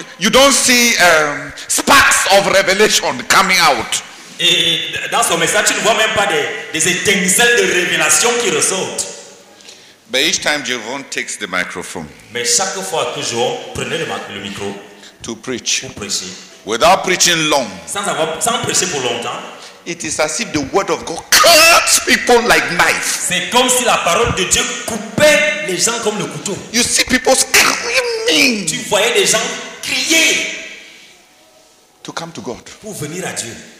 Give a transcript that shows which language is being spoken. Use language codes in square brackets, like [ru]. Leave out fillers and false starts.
[en] You don't see sparks of revelation coming out. [fr] Et dans son message, tu ne vois même pas des étincelles de révélation qui ressortent. [en] But each time Jevon takes the microphone, [fr] mais chaque fois que Jevon prenait le micro, [en] to preach, [fr] pour prêcher, [en] without preaching long, [fr] sans prêcher pour longtemps, [en] it is as if the word of God cuts people like knife. [fr] C'est comme si la parole de Dieu coupait les gens comme le couteau. [en] You see people screaming. [fr] Tu voyais les gens crier. [en] To come to God. [fr] Pour venir à Dieu.